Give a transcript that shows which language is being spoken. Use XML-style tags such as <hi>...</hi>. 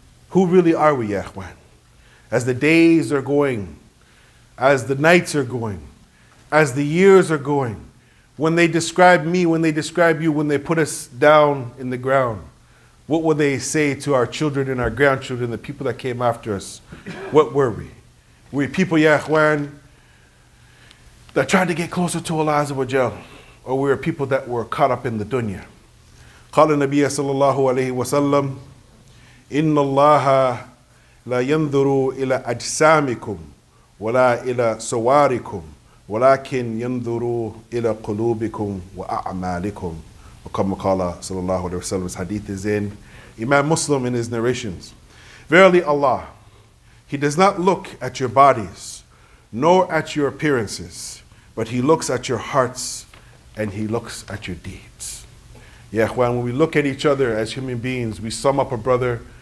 <en>Who really are we,</en> <ar>ya ikhwan?</ar> <en>As the days are going, as the nights are going, as the years are going, when they describe me, when they describe you, when they put us down in the ground, what will they say to our children and our grandchildren, the people that came after us? What were we? We people,</en> <ar>ya ikhwan,</ar> <en>that tried to get closer to</en> <ar>Allah Azza wa Jal,</ar> <en>or we were people that were caught up in the dunya?</en> <ar>قال النبي صلى الله عليه وسلم إن الله لا ينظر إلى أجسامكم ولا إلى صوركم ولكن ينظر إلى قلوبكم وأعمالكم. وكما قال صلى الله عليه وسلم.</ar> <en>Hadith is in Imam Muslim in his narrations. Verily Allah, He does not look at your bodies nor at your appearances, but He looks at your hearts and He looks at your deeds.</en> <ar>Ya ikhwan,</ar> <en>when we look at each other as human beings, we sum up a brother.</en>